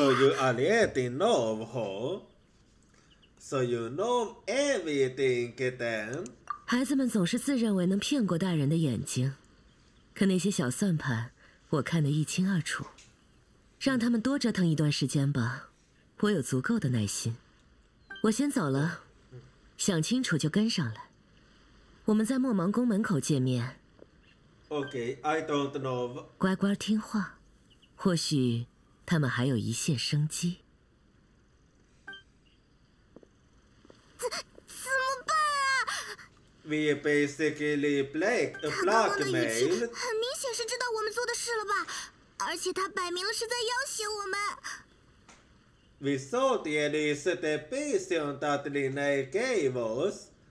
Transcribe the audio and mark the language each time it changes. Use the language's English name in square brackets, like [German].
[English] So you already know, so you know everything, kitten. [Chinese] 孩子们总是自认为能骗过大人的眼睛，可那些小算盘，我看得一清二楚。让他们多折腾一段时间吧，我有足够的耐心。我先走了，想清楚就跟上来。我们在墨芒宫门口见面。 [English] Okay, I don't know. [Chinese] 乖乖听话，或许他们还有一线生机。 [English] We basically blackmail. [Chinese] 他刚刚的语气很明显是知道我们做的事了吧？而且他摆明了是在要挟我们。 [English] We saw the list of the vision that Lina gave us.